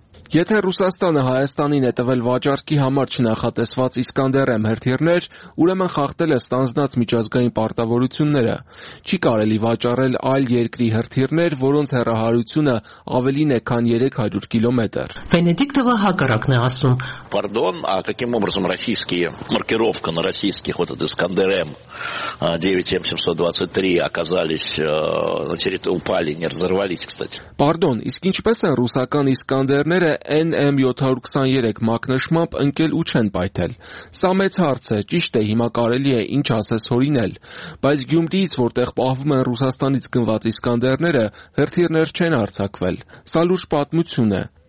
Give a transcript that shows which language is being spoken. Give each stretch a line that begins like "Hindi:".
Armenian: Եթե Ռուսաստանը Հայաստանին է տվել վաճառքի համար չնախատեսված Իսկանդերեմ հրթիռներ, ուրեմն խախտել է ստանձնած միջազգային պարտավորությունները։ Չի կարելի վաճառել այլ երկրի հրթիռներ, որոնց հեռահարությունը ավելին է, քան 300 կիլոմետր։ Վենեդիկտովը հակառակն է ասում.
Russian: Pardon, а каким образом российские маркировка на российских вот этот Искандерем 9M723 оказались на территории упали, не разорвались, кстати.
Armenian: Pardon, իսկ ինչպես են ռուսական Իսկանդերները NM723 մակնշմամբ ընկել ու չեն պայթել։ Սա մեծ հարց է, ճիշտ է, հիմա կարելի է ինչ ասես հորինել, բայց Գյումրիից, որտեղ պահվում են Ռուսաստանից գնված Իսկանդերները, հրթիռներ չեն արձակվել։ Սա լուրջ պատմություն է։